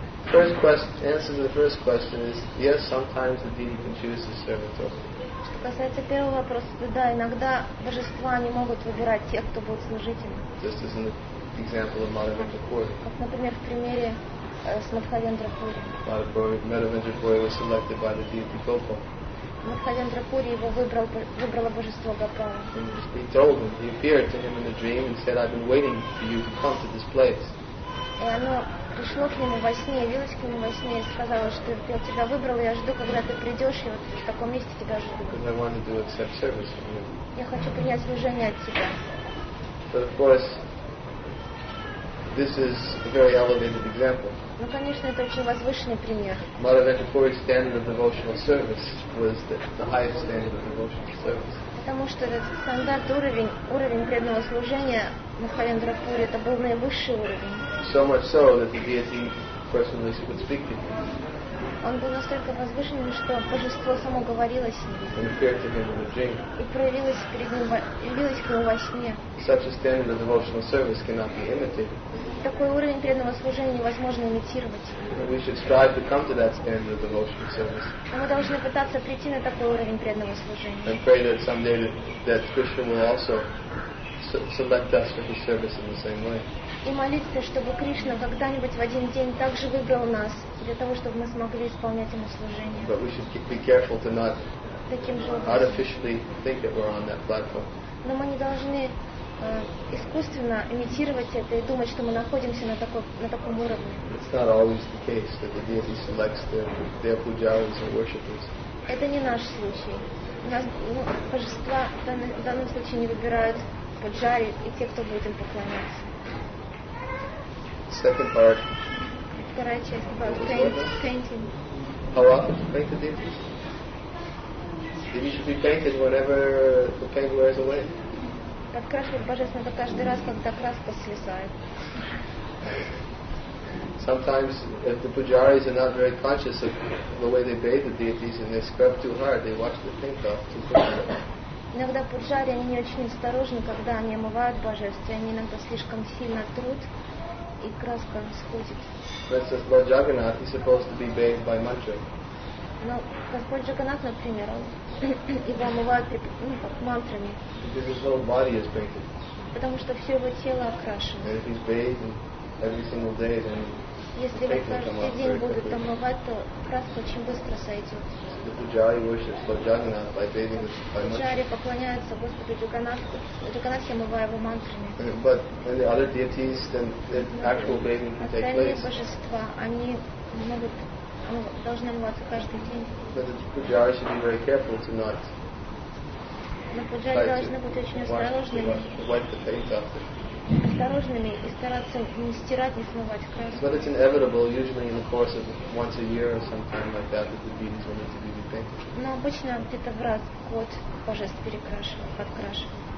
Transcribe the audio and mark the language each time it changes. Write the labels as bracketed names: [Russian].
[English] First question, answer to the first question is yes, sometimes the deity can choose his servant over. [Russian] Что касается первого вопроса, то да, иногда божества не могут выбирать тех, кто будет служить им. [English] Just as in the example of Madhavendra Kaur. [Russian] Как, например, в примере с Мадхавендра Пури. [English] Мадхавендра Пури was selected by the deity Gopal. [Russian] Мадхавендра Пури его выбрало божество Гопала. [English] He told him, he appeared to him in a dream and said, I've been waiting for you to come to this place. [Russian] И оно пришло к нему во сне, явилось к нему во сне и сказало, что я тебя выбрал, я жду, когда ты придешь, и вот в таком месте тебя жду. [English] Because I wanted to accept service from you. [Russian] Я хочу принять служение от тебя. [English] But of course, this is a very elevated example. [Russian] Ну, конечно, это очень возвышенный пример. [English] Madhavendra Puri's standard of devotional service was the highest standard of devotional service. [Russian] Потому что этот стандарт, уровень преданного служения Мадхавендра Пури, это был наивысший уровень. [English] So much so that the deity personally would speak to him. [Russian] Он был настолько возвышенным, что божество само говорило с ним. [English] Appeared to him in a dream. [Russian] И проявилось перед ним, явилось к нему во сне. [English] Such a standard of devotional service cannot be imitated. [Russian] Такой уровень преданного служения невозможно имитировать. [English] We should strive to come to that standard of devotional service. [Russian] Но мы должны пытаться прийти на такой уровень преданного служения. [English] And pray that someday that Krishna will also select us for his service in the same way. [Russian] И молиться, чтобы Кришна когда-нибудь в один день также выбрал нас для того, чтобы мы смогли исполнять ему служение. [English] But we should be careful to not artificially think that we're on that platform. [Russian] Но мы не должны искусственно имитировать это и думать, что мы находимся на таком уровне. [English] It's not always the case that the deity selects their pujaris and worshippers. [Russian] Это не наш случай. Божества в данном случае не выбирают пуджари и те, кто будет им поклоняться. [English] Second part. [Russian] Вторая часть [English] about painting. How often to paint the deities? They should be painted whenever the paint wears away. [Russian] Подкрашивать божественно это каждый раз, когда краска слезает. [English] Sometimes if the pujaris are not very conscious of the way they bathe the deities and they scrub too hard, they wash the paint off too quickly. [Russian] Иногда пуджари они не очень осторожны, когда они омывают божество, они иногда слишком сильно трут. И краска сходит. [English] Lord Jagannath is supposed to be bathed by mantra. [Russian] Но Господь Джаганнат, например, его омывают мантрами. [English] Because his whole body is painted. [Russian] Потому что все его тело окрашено. [English] And if he's bathing every single day, then [Russian] если его каждый день будут омывать, то краска очень быстро сойдет. [English] The pujari worships Lord Jagannath by bathing with by mantra. [Russian] Пуджари поклоняются Господу Джаганнату, омывая его мантрами. [English] But when the other deities, then the actual bathing can take place. [Russian] Остальные божества, они могут, должны омываться каждый день. [English] But the pujari should be very careful to not try to wipe the paint off them. [Russian] Осторожными и стараться не стирать, не смывать краску. [English] But it's inevitable, usually in the course of once a year or something like that, that the deities will need to be repainted. [Russian] Но обычно где-то в раз в год божеств перекрашивают, подкрашивают.